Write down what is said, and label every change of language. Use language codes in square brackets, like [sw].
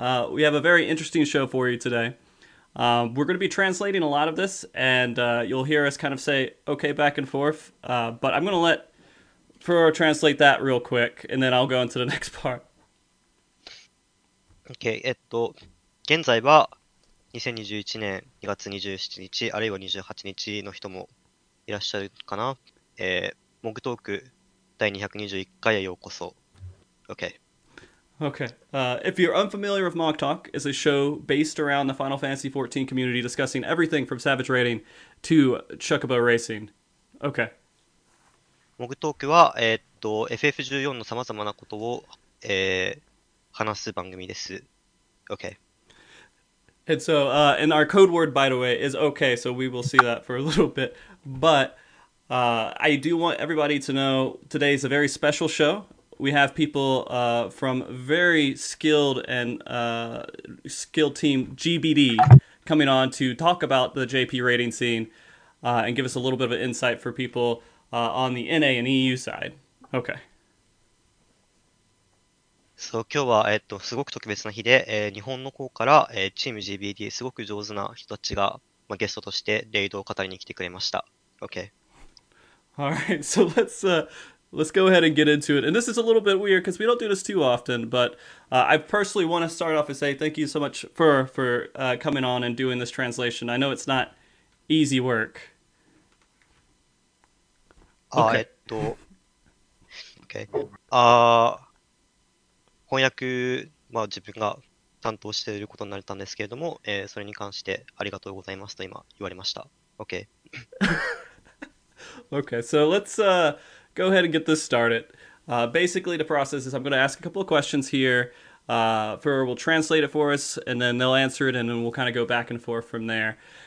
[en] We have a very interesting show for you today. We're going to be translating a lot of this, and you'll hear us kind of say okay back and forth. But I'm going to let Furor translate that real quick, and then I'll go into the next part. [ja] Okay, 現在は2021年2月27日あるいは28日の人もいらっしゃるかな。モグトーク第221回へようこそ。 [en] Okay. Okay. If you're unfamiliar with MogTalk, it's a show based around the Final Fantasy XIV community discussing everything from Savage Raiding to Chocobo Racing. Okay. [ja] モグトークは、FF14 の様々なことを、話す番組です。 [en] Okay. And so, and our code word, by the way, is okay, so we will see that for a little bit. But I do want everybody to know today is a very special show. We have people from very skilled and skilled team GBD coming on to talk about the JP rating scene and give us a little bit of an insight for people on the NA and EU side. Okay. [ja] そう今日は、すごく特別な日で、日本の方から、チーム GBD すごく上手な人たちが、まあ、ゲストとしてレイドを語りに来てくれました。 [en] Okay. Alright, so let's go ahead and get into it. And this is a little bit weird because we don't do this too often, but I personally want to start off and say thank you so much for coming on and doing this translation. I know it's not easy work. Okay. Okay. [ja] 翻訳、まあ、自分が担当していることになれたんですけれども、それに関してありがとうございますと今言われました。 [en] Okay. Okay, so let's go ahead and get this started. Basically, the process is I'm going to ask a couple of questions here. Furor will translate it for us, and then they'll answer it, and then we'll kind of go back and forth from there.